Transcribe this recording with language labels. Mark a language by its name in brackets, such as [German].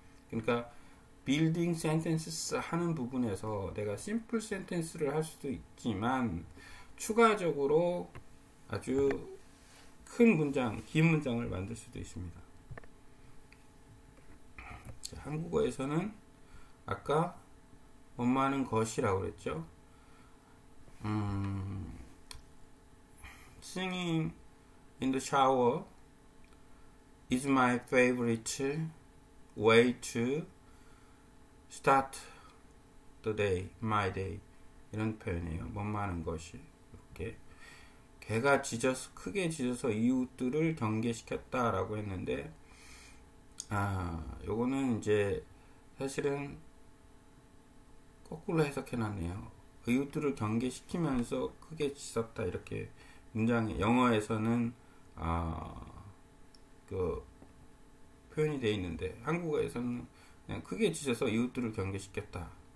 [Korean] 그러니까 빌딩 센텐스 하는 부분에서 내가 심플 센텐스를 할 수도 있지만 추가적으로 아주 큰 문장, 긴 문장을 만들 수도 있습니다. 한국어에서는 아까 원만한 것이라고 그랬죠? [English] 'Singing in the shower is my favorite way to start the day, my day. [Korean] 이런 표현이에요. 원만한 것이 이렇게. 개가 짖어서 크게 짖어서 이웃들을 경계시켰다라고 했는데, 요거는 이제 사실은 거꾸로 해석해놨네요. 이웃들을 경계시키면서 크게 짖었다 이렇게 문장에 영어에서는 그 표현이 돼 있는데 한국어에서는 그냥 크게 짖어서 이웃들을 경계시켰다.